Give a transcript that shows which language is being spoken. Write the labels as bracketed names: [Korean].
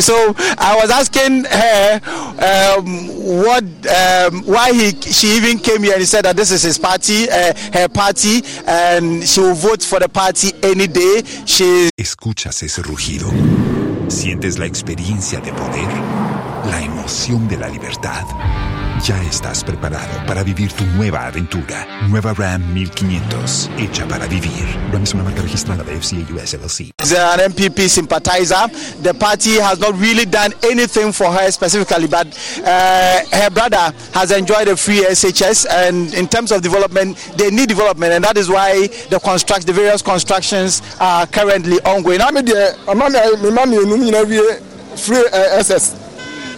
[English] So I was asking her why she even came here, and he said that this is his party, her party, and she will vote for the party any day. She [Spanish] escuchas ese rugido. Sientes la experiencia de poder, la emoción de la libertad. Ya estás preparado para vivir tu nueva aventura. Nueva Ram 1500, hecha para vivir. Ram es una marca registrada de FCA US LLC. [English] She's an MPP sympathizer. The party has not really done anything for her specifically, but her brother has enjoyed a free SHS, and in terms of development, they need development, and that is why the various constructions are currently ongoing. I'm here. I'm here. Free SS.